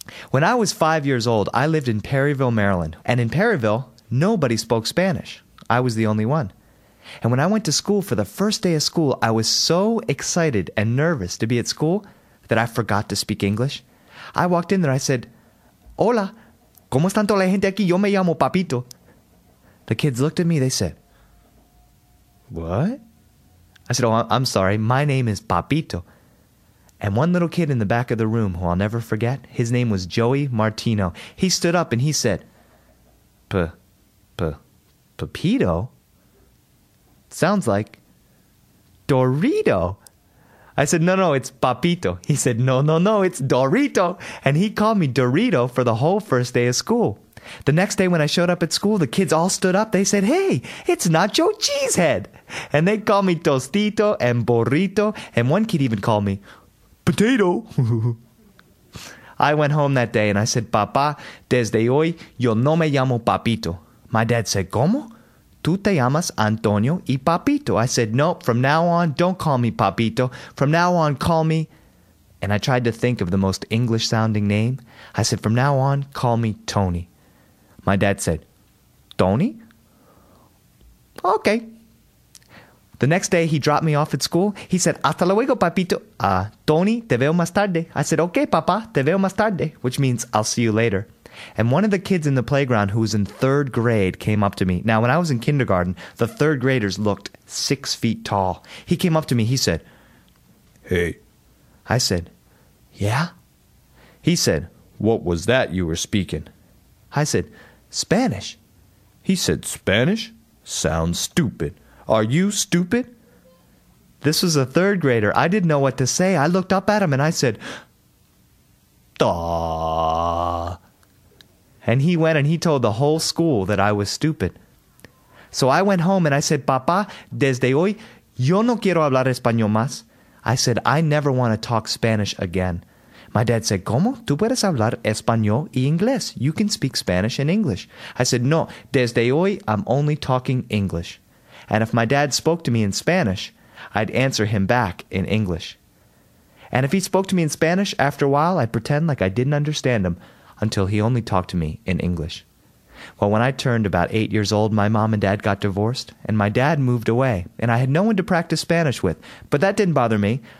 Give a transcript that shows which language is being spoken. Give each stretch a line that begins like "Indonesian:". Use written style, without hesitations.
English: When I was 5 years old, I lived in Perryville, Maryland. And in Perryville, nobody spoke Spanish. I was the only one. And when I went to school for the first day of school, I was so excited and nervous to be at school that I forgot to speak English. I walked in there.
Spanish: I said, hola, ¿cómo están toda la gente aquí? Yo me llamo Papito.
English: The kids looked at me. They said, what? I said, oh, I'm sorry. My name is Papito. And one little kid in the back of the room who I'll never forget, his name was Joey Martino. He stood up and he said, Papito? Sounds like Dorito. I said, no, it's Papito. He said, no, it's Dorito. And he called me Dorito for the whole first day of school. The next day when I showed up at school, the kids all stood up. They said, hey, it's Nacho Cheesehead. And they called me Tostito and Burrito. And one kid even called me Potato. I went home that day and I said, Papa,
Spanish: desde hoy, yo no me llamo Papito.
English: My dad said, ¿Cómo?
Spanish: Tú te llamas Antonio y Papito.
English: I said, no, from now on, don't call me Papito. From now on, call me... And I tried to think of the most English-sounding name. I said, from now on, call me Tony. My dad said, Tony? Okay. The next day, he dropped me off at school. He said,
Spanish: hasta luego,
English: Papito. Tony,
Spanish: te veo más tarde.
English: I said, okay, Papa,
Spanish: te veo más tarde,
English: which means I'll see you later. And one of the kids in the playground who was in third grade came up to me. Now, when I was in kindergarten, the third graders looked 6 feet tall. He came up to me. He said, hey. I said, yeah? He said, what was that you were speaking? I said, Spanish. He said, Spanish? Sounds stupid. Are you stupid? This was a third grader. I didn't know what to say. I looked up at him and I said, duh. And he went and he told the whole school that I was stupid. So I went home and I said,
Spanish: Papa, desde hoy, yo no quiero hablar español más.
English: I said, I never want to talk Spanish again. My dad said, ¿Cómo?
Spanish: Tú puedes hablar español y inglés.
English: You can speak Spanish and English. I said, no,
Spanish: desde hoy,
English: I'm only talking English. And if my dad spoke to me in Spanish, I'd answer him back in English. And if he spoke to me in Spanish, after a while, I'd pretend like I didn't understand him. Until he only talked to me in English. Well, when I turned about 8 years old, my mom and dad got divorced, and my dad moved away, and I had no one to practice Spanish with. But that didn't bother me.